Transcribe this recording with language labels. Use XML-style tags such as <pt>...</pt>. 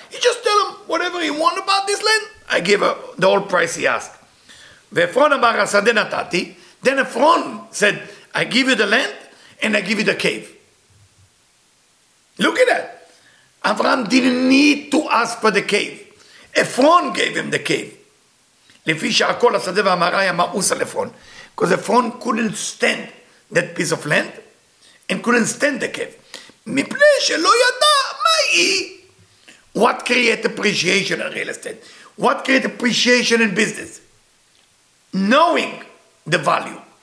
<en>He just tell him whatever he want about this land. I give the whole price he asked.</en> <he>ואפרון אמר, השדה נתתי.</he> <en>Then Ephron said, I give you the land and I give you the cave. Look at that. Avram didn't need to ask for the cave. Ephron gave him the cave.</en> <he>לפי שהכל השדה והמראי המאוס על אפרון.</he> <en>Because Ephron couldn't stand that piece of land and couldn't stand the cave.</en> <he>מפני שלא ידע מה היא.</he> <en>What create appreciation in real estate? What create appreciation in business? Knowing the value.</en>